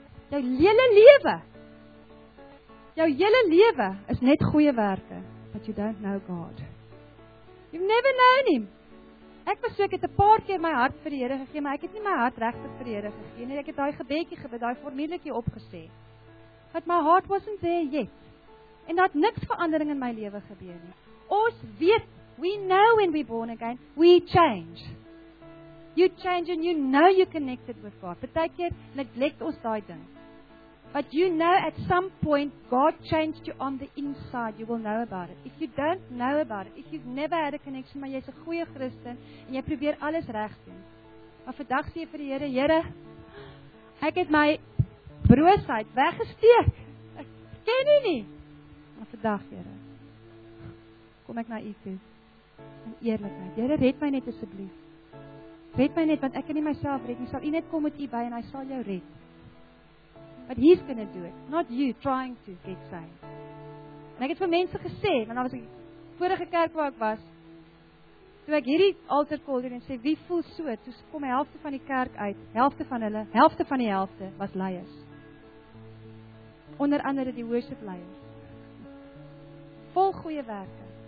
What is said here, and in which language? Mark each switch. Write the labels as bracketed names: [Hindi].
[Afrikaans] Jou hele lewe, jou hele lewe is net goeie werke, [English] but you don't know God. You've never known Him. [Afrikaans] Ek was so, ek het 'n paar keer my hart vir die Here gegee, maar ek het nie my hart regtig vir die Here gegee nie. Ek het daai gebedjie gebid, daai formuletjie opgesê. [English] But my heart wasn't there yet. [Afrikaans] En dat niks verandering in my lewe gebeur nie. Ons weet, [English] we know when we're born again, we change. You change and you know you're connected with God. [Afrikaans] Partykeer neglect ons daai ding. [English] But you know at some point God changed you on the inside. You will know about it. If you don't know about it, if you've never had a connection, [Afrikaans] maar jy's 'n goeie Christen en jy probeer alles reg doen. Maar vandag sê jy vir die Here, Here, ek het my broosheid weggesteek. Ek ken U nie. Maar vandag, Here, kom ek na U toe. In eerlikheid. Here, red my net asseblief. Red my net, want ek kan nie myself red nie. Sal U net kom met U by en hy sal jou red. [English] But he's going to do it, not you trying to get saved. [Afrikaans] En ek het vir mense gesê, want daar was 'n vorige kerk waar ek was, toe ek hierdie altar call doen en sê, wie voel so, toe kom die helfte van die kerk uit, helfte van hulle, helfte van die helfte, was leiers. Onder andere die worship leiers. Vol goeie werke.